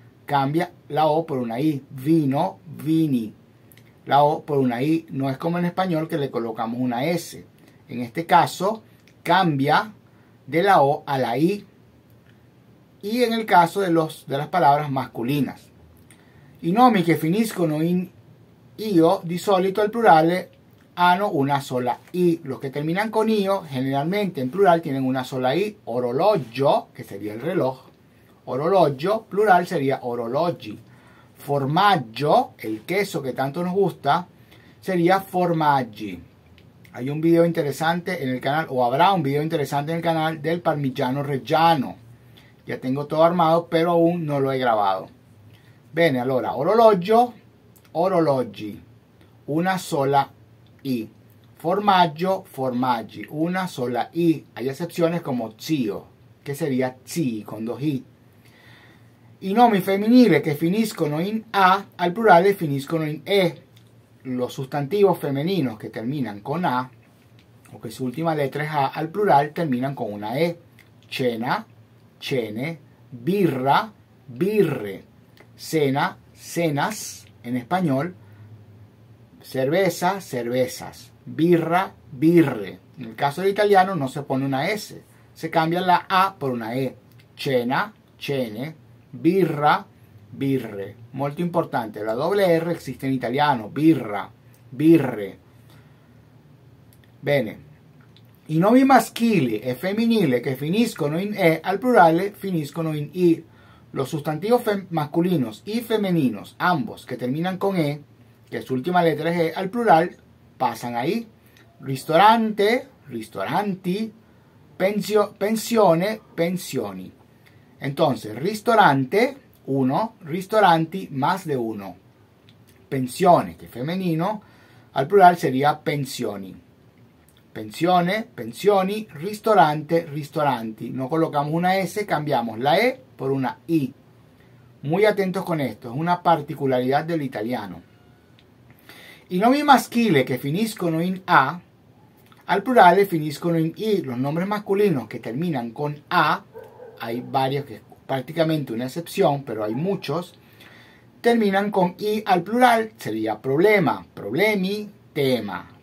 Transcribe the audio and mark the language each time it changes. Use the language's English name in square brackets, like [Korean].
[Spanish] Cambia la O por una I. Vino, vini. La O por una I. No es como en español que le colocamos una S. En este caso, cambia de la O a la I. Y en el caso de las palabras masculinas. [Italian] Y nomi que finiscono in io, di solito al plural, hanno una sola I. [Spanish] Los que terminan con io, generalmente en plural, tienen una sola I. Orologio, que sería el reloj. Orologio, plural sería orologi. Formaggio, el queso que tanto nos gusta, sería formaggi. Hay un video interesante en el canal, o habrá un video interesante en el canal, del parmigiano reggiano. Ya tengo todo armado, pero aún no lo he grabado. [Italian] Bene, allora, orologio, orologi, una sola I. Formaggio, formaggi, una sola I. [Spanish] Hay excepciones como zio, que sería zi con dos I. [Italian] I nomi femminili che finiscono in A, al plurale finiscono in E. [Spanish] Los sustantivos femeninos que terminan con A, o que su última letra es A, al plural terminan con una E. Cena, cene, birra, birre, cena, cenas, en español, cerveza, cervezas, birra, birre. En el caso del italiano no se pone una S, se cambia la A por una E. Cena, cene, birra, birre. [Italian] Molto importante, [Spanish] la doble R existe en italiano, birra, birre. Bene. [Italian] I nomi maschili e femminili che finiscono in E al plurale finiscono in I. [Spanish] Los sustantivos masculinos y femeninos, ambos, que terminan con E, que su última letra es E, al plural, pasan a I. Ristorante, ristoranti, pensione, pensioni. Entonces, ristorante, uno, ristoranti, más de uno. Pensione, que es femenino, al plural sería pensioni. Pensione, pensioni, ristorante, ristoranti. No colocamos una S, cambiamos la E por una I. Muy atentos con esto, es una particularidad del italiano. [Italian] I nomi maschili que finiscono in A, al plural finiscono in I. [Spanish] Los nombres masculinos que terminan con A, hay varios que es prácticamente una excepción, pero hay muchos, terminan con I al plural, sería problema, problemi, tema.